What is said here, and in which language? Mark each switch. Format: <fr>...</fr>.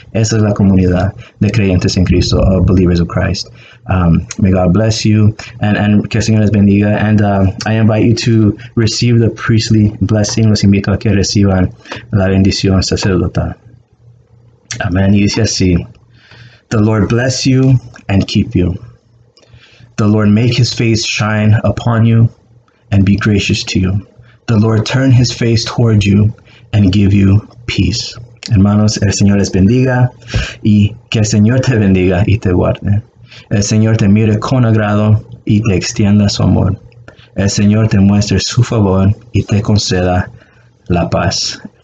<es>Esa es la comunidad de creyentes en Cristo,</es> <en>of believers of Christ. May God bless you. And</en> <es>que el Señor les bendiga.</es> <en>And I invite you to receive the priestly blessing.</en> <es>Los invito a que reciban la bendición sacerdotal.</es> <en>Amen.</en> <es>Y dice así,</es> <en>the Lord bless you and keep you. The Lord make his face shine upon you and be gracious to you. The Lord turn his face toward you and give you peace.</en> <es>Hermanos, el Señor les bendiga y que el Señor te bendiga y te guarde. El Señor te mire con agrado y te extienda su amor. El Señor te muestre su favor y te conceda la paz.</es>